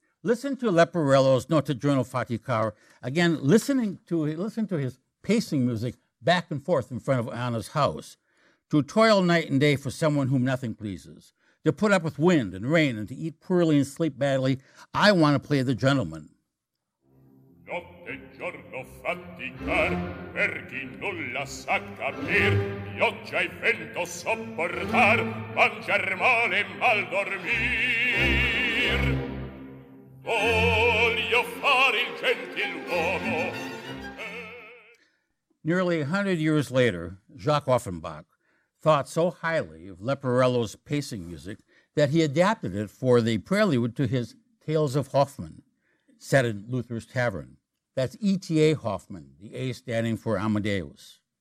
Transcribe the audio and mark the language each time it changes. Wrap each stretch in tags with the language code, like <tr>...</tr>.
<en>Listen to Leporello's Notturno Faticar. Again, listen to his pacing music back and forth in front of Anna's house. To toil night and day for someone whom nothing pleases. To put up with wind and rain and to eat poorly and sleep badly. I want to play the gentleman.</en> <it>Notte giorno faticar, per chi nulla sa capir, pioggia e vento sopportar, mangiar male e mal dormir. Voli voglio fare il gentiluomo.</it> <en>Nearly 100 years later, Jacques Offenbach thought so highly of Leporello's pacing music that he adapted it for the prelude to his Tales of Hoffmann, set in Luther's Tavern. That's ETA Hoffmann, the A standing for Amadeus.</en>